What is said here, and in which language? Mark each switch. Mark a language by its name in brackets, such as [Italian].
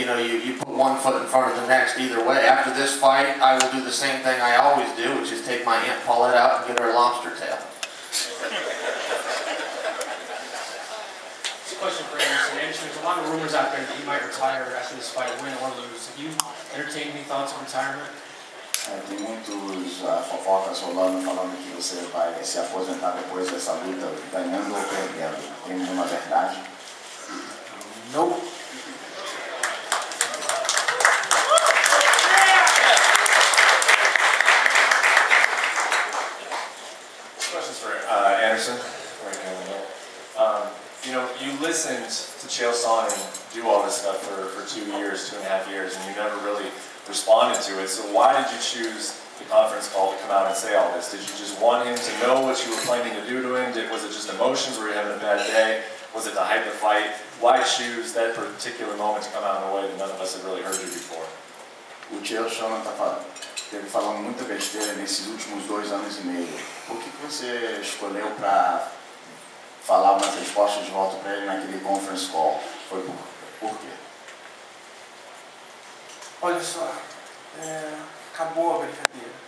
[English] You know, you put one foot in front of the next either way. After this fight, I will do the same thing I always do, which is take my Aunt Paulette out and get her a lobster tail. This question for Anderson. Anderson, there's a lot of rumors out there that you might retire after this fight, win or lose. Have you entertained any thoughts on retirement? [Portuguese] Tem muitos fofocas rolando, falando que você vai se aposentar depois dessa luta, ganhando ou perdendo. Tem alguma verdade? Não. [English] Questions for Anderson, right here in the middle. You know, you listened to Chael Sonnen do all this stuff for 2 years, 2.5 years, and you never really responded to it. So why did you choose the conference call to come out and say all this? Did you just want him to know what you were planning to do to him? Was it just emotions? Were you having a bad day? Was it to hype the fight? Why choose that particular moment to come out in a way that none of us had really heard you before? [Portuguese] O Chael Sonnen teve falando muita besteira nesses últimos 2 anos e meio. Por que você escolheu para falar uma resposta de volta para ele naquele conference call? Foi por quê? Olha só, acabou a brincadeira.